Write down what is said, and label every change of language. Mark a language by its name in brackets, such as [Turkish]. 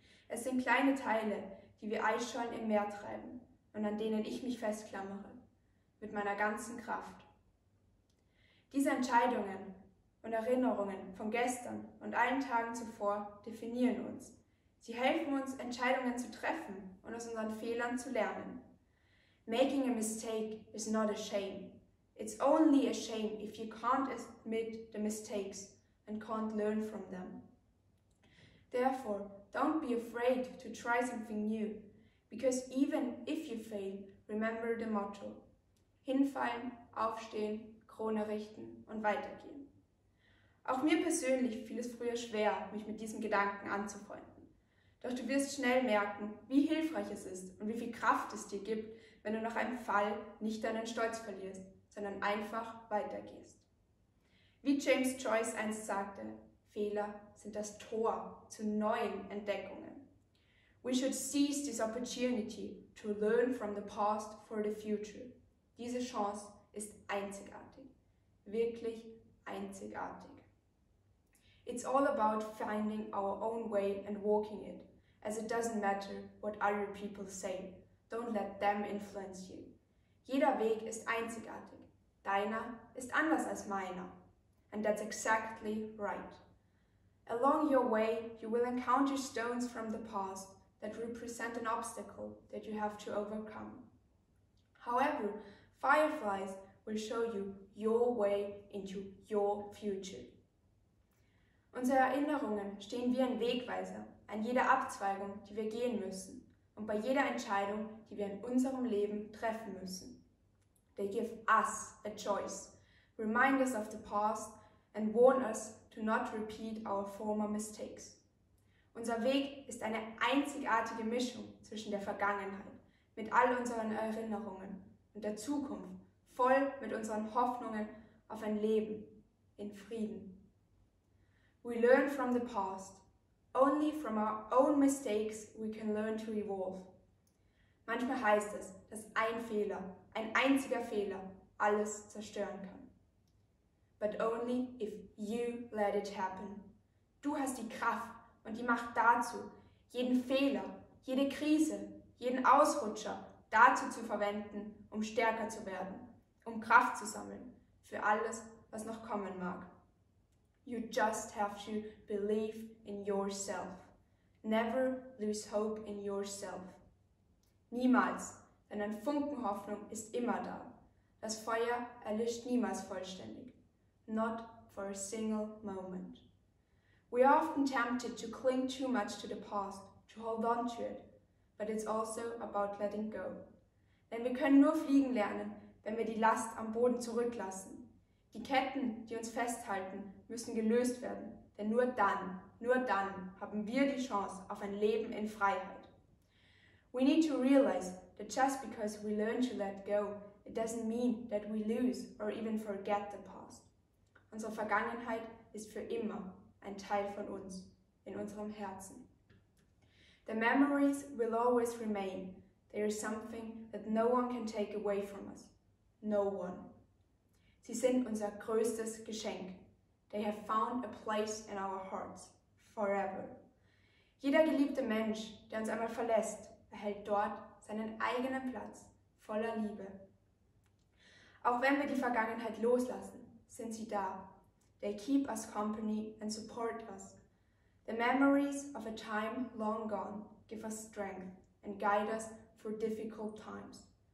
[German] Es sind kleine Teile, die wir Eisschollen im Meer treiben und an denen ich mich festklammere, mit meiner ganzen Kraft. Diese Entscheidungen und Erinnerungen von gestern und allen Tagen zuvor definieren uns. Sie helfen uns, Entscheidungen zu treffen und aus unseren Fehlern zu lernen. [English] Making a mistake is not a shame. It's only a shame if you can't admit the mistakes and can't learn from them. Therefore, don't be afraid to try something new, because even if you fail, remember the motto. [German] Hinfallen, aufstehen, Krone richten und weitergehen. Auch mir persönlich fiel es früher schwer, mich mit diesem Gedanken anzufreunden. Doch du wirst schnell merken, wie hilfreich es ist und wie viel Kraft es dir gibt, wenn du nach einem Fall nicht deinen Stolz verlierst, sondern einfach weitergehst. Wie James Joyce einst sagte, Fehler sind das Tor zu neuen Entdeckungen. [English] We should seize this opportunity to learn from the past for the future. [German] Diese Chance ist einzigartig. Wirklich einzigartig. [English] It's all about finding our own way and walking it, as it doesn't matter what other people say. Don't let them influence you. [German] Jeder Weg ist einzigartig. Deiner ist anders als meiner. [English] And that's exactly right. Along your way, you will encounter stones from the past that represent an obstacle that you have to overcome. However, fireflies will show you your way into your future. [German] Unsere Erinnerungen stehen wie ein Wegweiser an jeder Abzweigung, die wir gehen müssen, und bei jeder Entscheidung, die wir in unserem Leben treffen müssen. [English] They give us a choice, remind us of the past and warn us to not repeat our former mistakes. [German] Unser Weg ist eine einzigartige Mischung zwischen der Vergangenheit mit all unseren Erinnerungen und der Zukunft, voll mit unseren Hoffnungen auf ein Leben in Frieden. [English] We learn from the past. Only from our own mistakes we can learn to evolve. [German] Manchmal heißt es, dass ein Fehler, ein einziger Fehler, alles zerstören kann. [English] But only if you let it happen. [German] Du hast die Kraft und die Macht dazu, jeden Fehler, jede Krise, jeden Ausrutscher dazu zu verwenden, um stärker zu werden, um Kraft zu sammeln für alles, was noch kommen mag. [English] You just have to believe in yourself. Never lose hope in yourself. [German] Niemals, denn ein Funken Hoffnung ist immer da. Das Feuer erlischt niemals vollständig. [English] Not for a single moment. We are often tempted to cling too much to the past, to hold on to it. But it's also about letting go. [German] Denn wir können nur fliegen lernen, wenn wir die Last am Boden zurücklassen. Die Ketten, die uns festhalten, müssen gelöst werden, denn nur dann haben wir die Chance auf ein Leben in Freiheit. [English] We need to realize that just because we learn to let go, it doesn't mean that we lose or even forget the past. [German] Unsere Vergangenheit ist für immer ein Teil von uns, in unserem Herzen. [English] The memories will always remain. They are something that no one can take away from us. No one. [German] Sie sind unser größtes Geschenk. [English] They have found a place in our hearts forever. [German] Jeder geliebte Mensch, der uns einmal verlässt, erhält dort seinen eigenen Platz voller Liebe. Auch wenn wir die Vergangenheit loslassen, sind sie da. [English] They keep us company and support us. The memories of a time long gone give us strength and guide us through difficult times.